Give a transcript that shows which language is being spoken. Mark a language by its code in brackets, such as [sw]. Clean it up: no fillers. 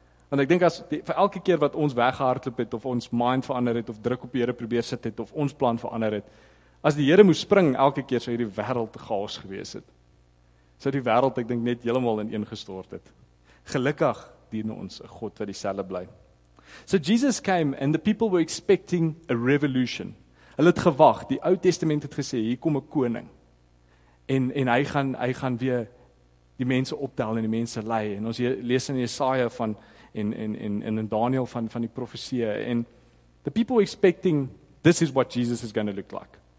[af] Want ek dink as vir elke keer wat ons weghardloop het of ons mind verander het of druk op die Here probeer sit het of ons plan verander het, as die Here moes spring elke keer sou hierdie wêreld chaos gewees het. Sou die wêreld ek dink net heeltemal ineengestort het. Gelukkig dien ons 'n God wat dieselfde bly. [en] So Jesus came and the people were expecting a revolution. [af] Hulle het gewag. Die Ou Testament het gesê hier kom 'n koning. En hy gaan weer die mense optel en die mense lei. En ons lees in Jesaja van en in Daniël van die profeseë en [en] the people were expecting this is what Jesus is going to look like.